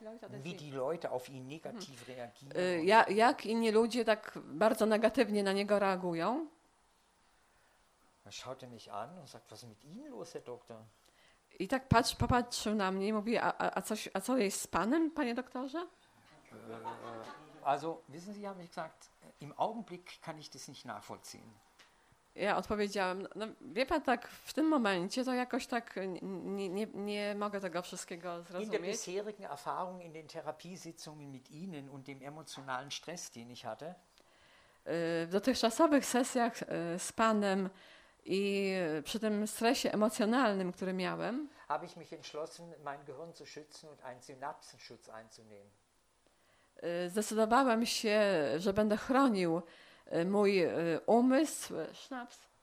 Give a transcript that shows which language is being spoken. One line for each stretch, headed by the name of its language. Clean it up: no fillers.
German: wie die Leute auf ihn negativ reagieren.
Polish: Jak inni ludzie tak bardzo negatywnie na niego reagują?
German: Er schaute mich an und sagt, was ist mit Ihnen los, Herr Doktor?
Polish: I tak popatrzył na mnie i mówi, a co jest z panem, panie doktorze?
German: Also wissen Sie, habe ich gesagt, im Augenblick kann ich das nicht nachvollziehen.
Polish: Ja odpowiedziałem, no wie pan tak, w tym momencie to jakoś tak nie mogę tego wszystkiego zrozumieć.
German: In der bisherigen Erfahrung in den Therapiesitzungen mit Ihnen und dem emotionalen Stress, den ich hatte.
Polish: W dotychczasowych sesjach z panem i przy tym stresie emocjonalnym, który miałem,
German: habe ich mich entschlossen, mein Gehirn zu schützen und einen Synapsenschutz einzunehmen.
Polish: Zdecydowałem się, że będę chronił mój umysł, schnaps.